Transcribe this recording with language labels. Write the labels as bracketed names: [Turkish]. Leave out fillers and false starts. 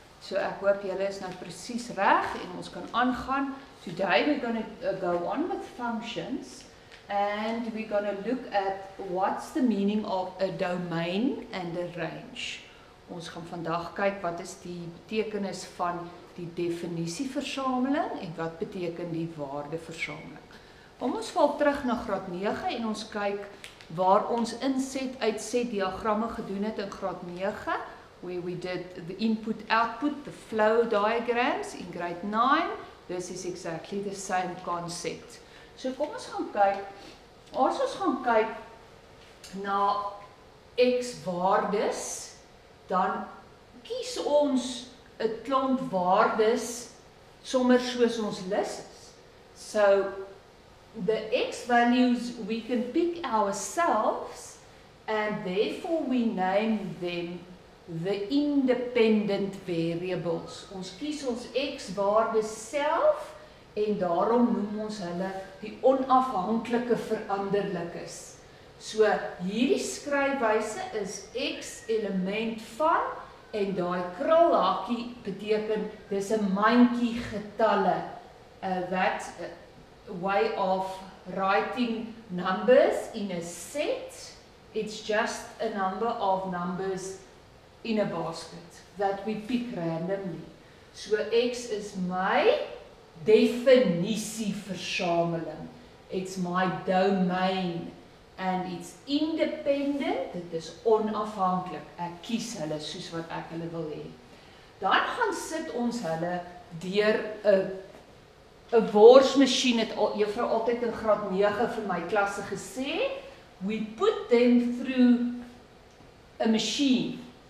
[Afrikaans] So ek hoop julle is nou precies reg en ons kan aangaan. [English] Today we're going to go on with functions and we're going to look at what's the meaning of a domain and a range. [Afrikaans] Ons gaan vandag kyk wat is die betekenis van die definisieversameling en wat beteken die waardeversameling. Kom ons val terug na graad 9 en ons kyk waar ons inset uitset diagramme gedoen het in graad 9, [English] where we did the input output, the flow diagrams in grade 9. This is exactly the same concept. [Afrikaans] So kom ons gaan kyk, as ons gaan kyk na x waardes, dan kies ons 'n klomp waardes sommer soos ons lus is. [English] So the x values we can pick ourselves and therefore we name them the independent variables. [Afrikaans] Ons kies ons x waardes self en daarom noem ons hulle die onafhanklike veranderlikes. So hierdie skryfwyse is x element van en daai krulhakkie beteken dis 'n mandjie getalle. [English] That's a way of writing numbers in a set. It's just a number of numbers in a basket that we pick randomly. [Afrikaans] So x is my definisieversameling. [English] It's my domain and it's independent, [Afrikaans] dit is onafhanklik. Ek kies hulle soos wat ek hulle wil hê. Dan gaan sit ons hulle deur 'n worsmasjien, het juffrou altyd in graad 9 vir my klasse gesê, [English] we put them through a machine.